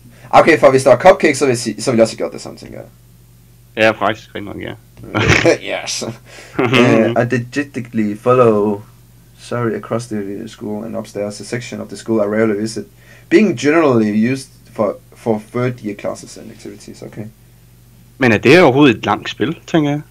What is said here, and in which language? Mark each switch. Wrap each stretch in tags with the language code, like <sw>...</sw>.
<da>Okay, for hvis der var cupcake, så ville jeg også gjort det sådan, tænker jeg. Ja, faktisk rigtig nok, ja.</da> <en>Yes. I digitally follow Sari across the school and upstairs, a section of the school I rarely visit, being generally used for third year classes and activities, okay?</en> <da>Men er det overhovedet et langt spil, tænker jeg?</da>